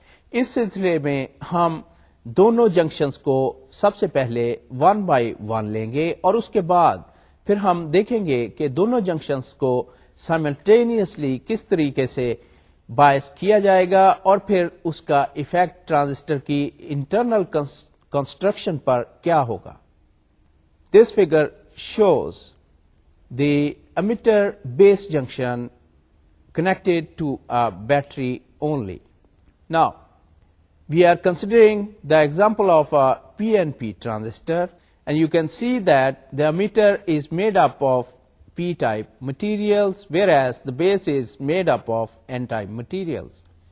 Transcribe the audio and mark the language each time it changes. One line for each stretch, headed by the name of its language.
Urdu: اس سلسلے میں ہم دونوں جنکشنز کو سب سے پہلے ون بائی ون لیں گے اور اس کے بعد پھر ہم دیکھیں گے کہ دونوں جنکشنز کو سائملٹینیسلی کس طریقے سے بائس کیا جائے گا اور پھر اس کا ایفیکٹ ٹرانزسٹر کی انٹرنل کنسٹرکشن پر کیا ہوگا.
English: This figure shows the emitter base junction connected to a battery only. Now we are considering the example of a PNP transistor, and you can see that the emitter is made up of P-type materials, whereas the base is made up of N-type materials.